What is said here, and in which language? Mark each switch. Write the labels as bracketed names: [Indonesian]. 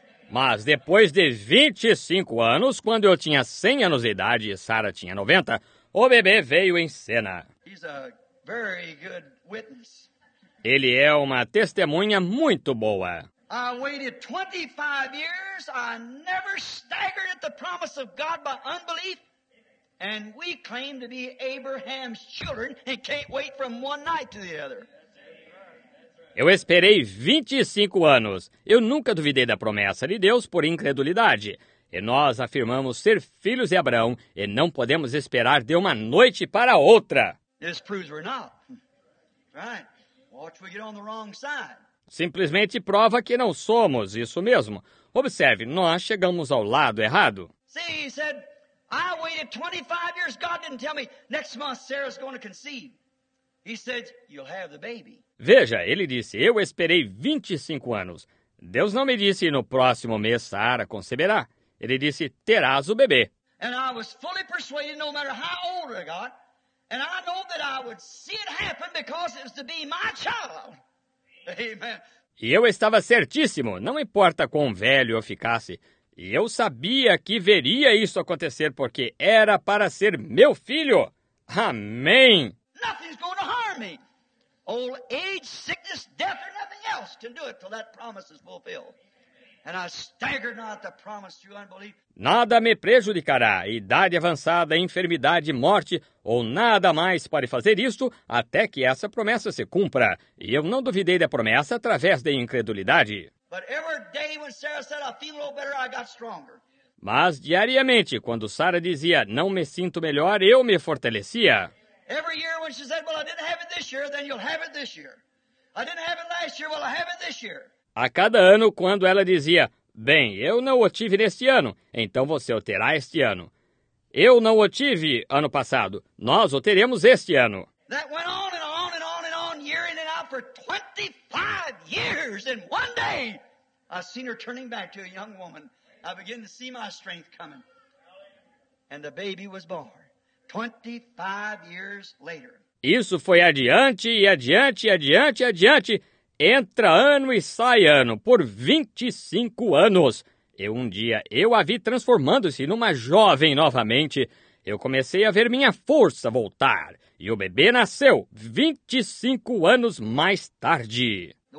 [Portuguese] Mas depois de 25 anos, quando eu tinha 100 anos de idade e Sarah tinha 90, o bebê veio em cena. [English] He's a very good witness. [Portuguese] Ele é uma testemunha muito boa. [English] I waited 25 years, I never staggered at the promise of God by unbelief, and we claim to be Abraham's children and can't wait from one night to the other. [Portuguese] Eu esperei 25 anos. Eu nunca duvidei da promessa de Deus por incredulidade. E nós afirmamos ser filhos de Abraão e não podemos esperar de uma noite para outra. [English] This proves we're not. Right. Watch, we get on the wrong side. [Portuguese] Simplesmente prova que não somos, isso mesmo. Observe, nós chegamos ao lado errado. [English] See, he said, I waited 25 years, God didn't tell me, next month Sarah's going to conceive. He said, you'll have the baby. [Portuguese] Veja, ele disse, eu esperei 25 anos. Deus não me disse, no próximo mês Sarah conceberá. Ele disse, terás o bebê. [English] And I was fully persuaded, no matter how old I got, and I know that I would see it happen because it was to be my child. Amen. [Portuguese] E eu estava certíssimo, não importa quão velho eu ficasse. E eu sabia que veria isso acontecer porque era para ser meu filho. Amém. [English] Nothing's going to harm me. Old age, sickness, death, or nothing else can do it till that promise is fulfilled. And I staggered not at the promise through unbelief. [Portuguese] Nada me prejudicará, idade avançada, enfermidade, morte, ou nada mais pode fazer isto até que essa promessa se cumpra. E eu não duvidei da promessa através da incredulidade. [English] But every day when Sarah said, I feel a little better, I got stronger. [Portuguese] Mas diariamente, quando Sarah dizia, não me sinto melhor, eu me fortalecia. [English] Every year when she said, well, I didn't have it this year, then you'll have it this year. I didn't have it last year, well, I'll have it this year. [Portuguese] A cada ano, quando ela dizia, bem, eu não o tive neste ano, então você o terá este ano. Eu não o tive ano passado, nós o teremos este ano. [English] That went on and on and on and on, year in and out for 25 years, and one day, I seen her turning back to a young woman. I began to see my strength coming, and the baby was born, 25 years later. [Portuguese] Isso foi adiante e adiante e adiante e adiante. Entra ano e sai ano, por 25 anos. E um dia eu a vi transformando-se numa jovem novamente. Eu comecei a ver minha força voltar. E o bebê nasceu 25 anos mais tarde.